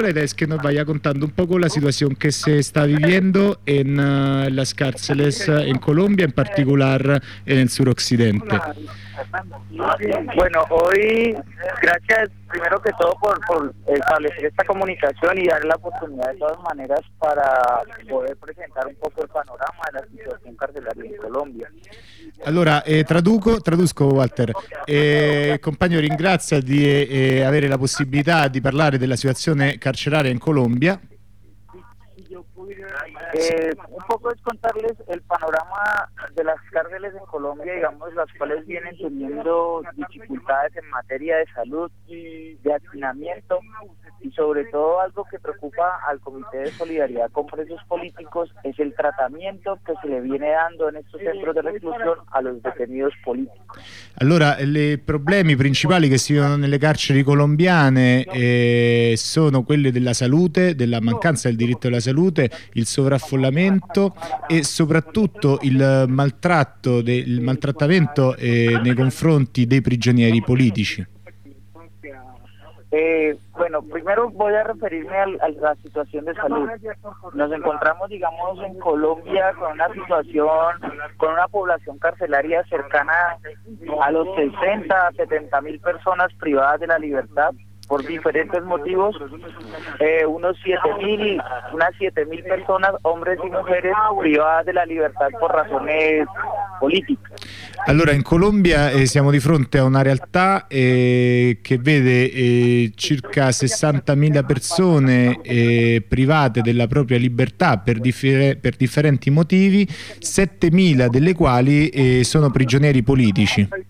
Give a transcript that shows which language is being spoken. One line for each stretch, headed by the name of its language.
Spanish: La idea es que nos vaya contando un poco la situación que se está viviendo en las cárceles en Colombia, en particular en el suroccidente. Bueno, hoy, gracias primero que todo por establecer esta comunicación y dar la oportunidad de todas maneras para poder presentar un poco el panorama de la situación carcelaria en Colombia.
Italian: Allora, traduzco Walter. Compagno, ringrazio di avere la possibilità di parlare della situazione carceraria in Colombia.
Spanish: Un poco es contarles el panorama de las cárceles en Colombia, digamos, las cuales vienen teniendo dificultades en materia de salud y de hacinamiento, y sobre todo algo que preocupa al Comité de Solidaridad con Presos Políticos es el tratamiento que se le viene dando en estos centros de reclusión a los detenidos políticos.
Italian: Allora, i problemi principali che si vivono nelle carceri colombiane sono quelli della salute, della mancanza del diritto alla salute, il sovraffollamento e soprattutto il maltrattamento nei confronti dei prigionieri politici.
Spanish: Bueno, primero voy a referirme a la situación de salud. Nos encontramos, digamos, en Colombia con una situación, con una población carcelaria cercana a los 60, 70 mil personas privadas de la libertad por diferentes motivos. Unas 7 mil personas, hombres y mujeres, privadas de la libertad por razones políticas.
Italian: Allora, in Colombia siamo di fronte a una realtà che vede circa 60.000 persone private della propria libertà per differenti motivi, 7.000 delle quali sono prigionieri politici.